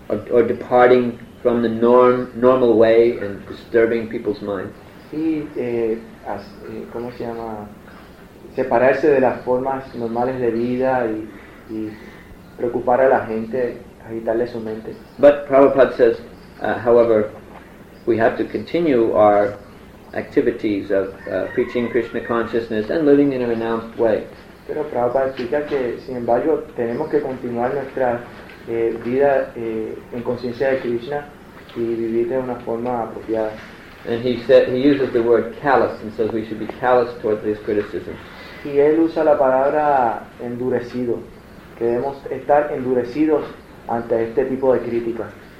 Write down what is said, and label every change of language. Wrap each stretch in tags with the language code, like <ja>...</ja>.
<en>Or departing from the normal way and disturbing people's minds.</en> <es>Y ¿cómo se llama? Separarse de las formas normales de vida y preocupar a la gente, agitarle su mente.</es> <en>But Prabhupada says, however, we have to continue our activities of preaching Krishna consciousness and living in a renounced way.</en> <es>Pero Prabhupada explica que, sin embargo, tenemos que continuar nuestra vida en conciencia de Krishna y vivir de una forma apropiada.</es> <en>And he uses the word callous and says we should be callous towards these criticisms.</en> <es>Y él usa la palabra endurecido, que debemos estar endurecidos ante este tipo de críticas.</es>